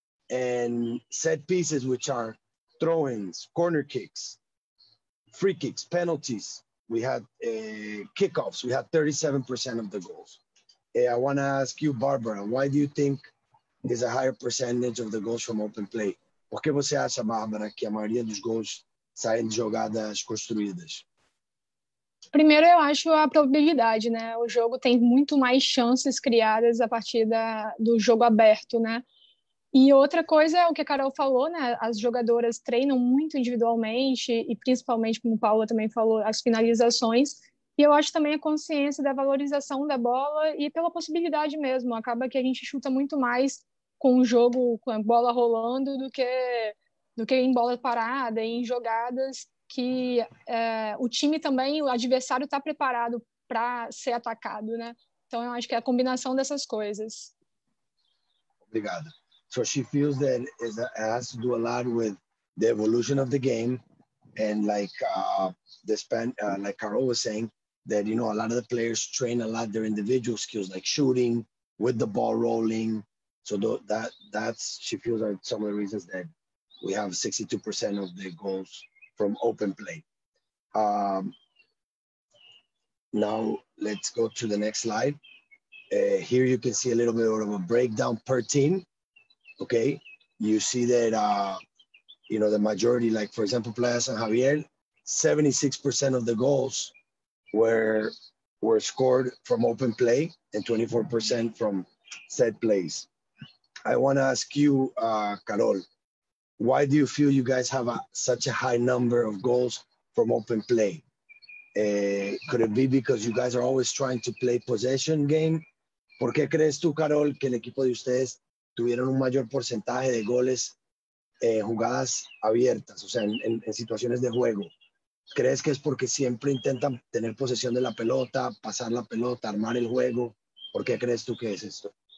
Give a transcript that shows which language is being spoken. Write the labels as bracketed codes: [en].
[en] And set pieces, which are throw-ins, corner kicks, free kicks, penalties. We had kickoffs. We had 37% of the goals. I want to ask you, Barbara, why do you think there's a higher percentage of the goals from open play? [pt] Por que você acha, Barbara, que a maioria dos gols saem de jogadas construídas? Primeiro, eu acho a probabilidade, né? O jogo tem muito mais chances criadas a partir do jogo aberto, né? E outra coisa é o que a Carol falou, né? As jogadoras treinam muito individualmente e principalmente, como a Paula também falou, as finalizações. E eu acho também a consciência da valorização da bola e pela possibilidade mesmo. Acaba que a gente chuta muito mais com o jogo, com a bola rolando, do que em bola parada, em jogadas... que o time também, o adversário está preparado para ser atacado, né? Então, eu acho que é a combinação dessas coisas. Obrigado. [en] So she feels that it has to do a lot with the evolution of the game and like like Carol was saying, that, you know, a lot of the players train a lot their individual skills, like shooting, with the ball rolling. So that's, she feels, are some of the reasons that we have 62% of the goals from open play. Now let's go to the next slide. Here you can see a little bit of a breakdown per team. Okay, you see that you know, the majority, like for example, Playas and Javier, 76% of the goals were scored from open play and 24% from set plays. I want to ask you, Carol. Why do you feel you guys have such a high number of goals from open play? Could it be because you guys are always trying to play possession game? [es] ¿Por qué crees tú, Carol, que el equipo de ustedes tuvieron un mayor porcentaje de goles jugadas abiertas, o sea, en situaciones de juego? ¿Crees que es porque siempre intentan tener posesión de la pelota, pasar la pelota, armar el juego? ¿Por qué crees tú que es esto?